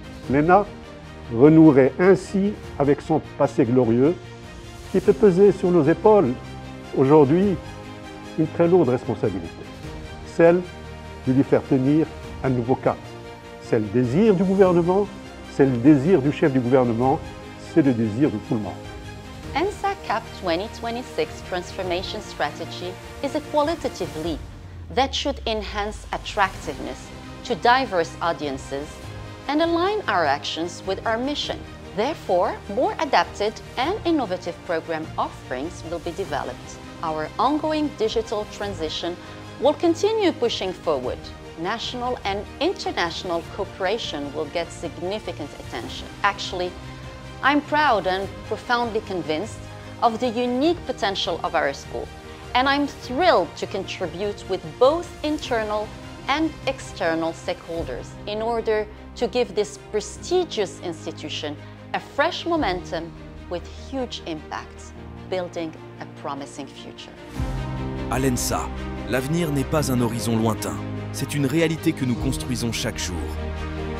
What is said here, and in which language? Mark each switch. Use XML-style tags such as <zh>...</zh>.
<fr>L'ENA renouerait ainsi avec son passé glorieux qui fait peser sur nos épaules aujourd'hui une très lourde responsabilité, celle de lui faire tenir un nouveau cap. C'est le désir du gouvernement, c'est le désir du chef du gouvernement, c'est le désir de tout le monde.</fr> <en>ENSA CAP 2026 Transformation Strategy is a qualitative leap that should enhance attractiveness to diverse audiences and align our actions with our mission. Therefore, more adapted and innovative program offerings will be developed. Our ongoing digital transition will continue pushing forward. National and international cooperation will get significant attention. Actually, I'm proud and profoundly convinced of the unique potential of our school. And I'm thrilled to contribute with both internal and external stakeholders in order to give this prestigious institution a fresh momentum with huge impact, building a promising future.</en> <fr>À l'ENSA, l'avenir n'est pas un horizon lointain. C'est une réalité que nous construisons chaque jour.</fr>